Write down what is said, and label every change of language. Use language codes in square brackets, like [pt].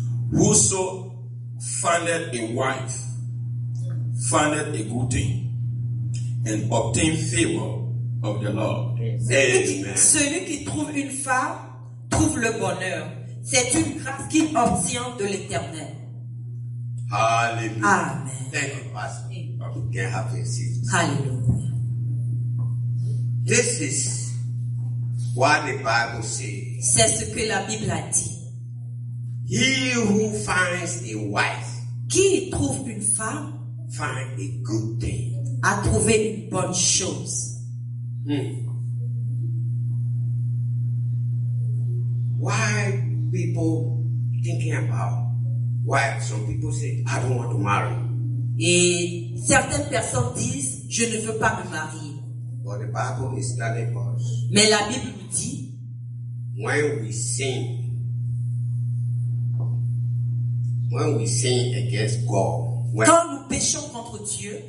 [en] Whoso findeth a wife findeth a good thing and obtain favor of the Lord. [fr] Celui qui trouve une femme trouve le bonheur. C'est une grâce qu'il obtient de l'Éternel. [en] Hallelujah. Amen. Thank you, Pastor. You can have your seat. Hallelujah. This is what the Bible says. [fr] C'est ce que la Bible a dit. [en] He who finds a wife, [fr] qui trouve une femme, [en] find a good thing, [fr] a trouvé une bonne chose. [en] Why people thinking about why some people say I don't want to marry? [fr] Et certaines personnes disent je ne veux pas me marier. [en] But the Bible is telling us. [fr] Mais la Bible nous dit. [en] When we sin against God. [fr] Quand nous péchons contre Dieu.